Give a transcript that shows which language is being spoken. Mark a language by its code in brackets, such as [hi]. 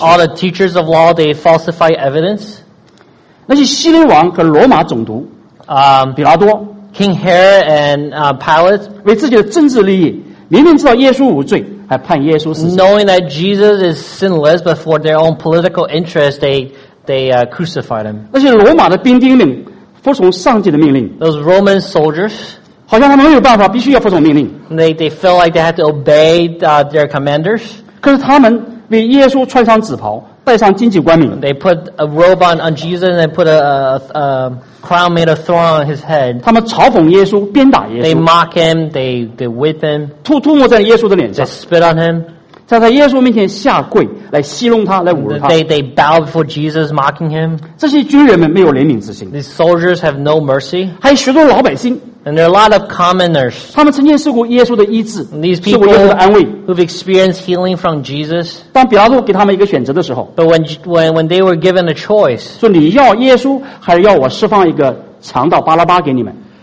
[en] All the teachers of law, they falsify evidence. [zh] 那些希律王和罗马总督，比拉多。 [en] King Herod and Pilate, [zh] 为自己的政治利益，明明知道耶稣无罪，还判耶稣死刑。 [en] Knowing that Jesus is sinless, but for their own political interest, they crucified him. [zh] 那些罗马的兵丁们服从上级的命令。 [en] Those Roman soldiers, [zh] 好像他们没有办法，必须要服从命令。 [en] They felt like they had to obey their commanders. [zh] 可是他们为耶稣穿上紫袍，戴上荆棘冠冕。 [en] They put a robe on Jesus and put a crown made of thorn on his head. [zh] 他们嘲讽耶稣，鞭打耶稣。 [en] They mock him, they whip him. [zh] 吐沫在耶稣的脸上。 [en] They spit on him. [zh] 在耶稣面前下跪，来戏弄他，来侮辱他。 [en] They bow before Jesus, mocking him. [zh] 这些军人们没有怜悯之心。 [en] These soldiers have no mercy. [zh] 还有许多老百姓。 [en] And there are a lot of commoners. [zh] 他们曾经受过耶稣的医治， [en] these people who've experienced healing from Jesus. [zh] 当比拉多给他们一个选择的时候， [en] but when they were given a choice, [zh] 说你要耶稣还是要我释放一个强盗巴拉巴给你们？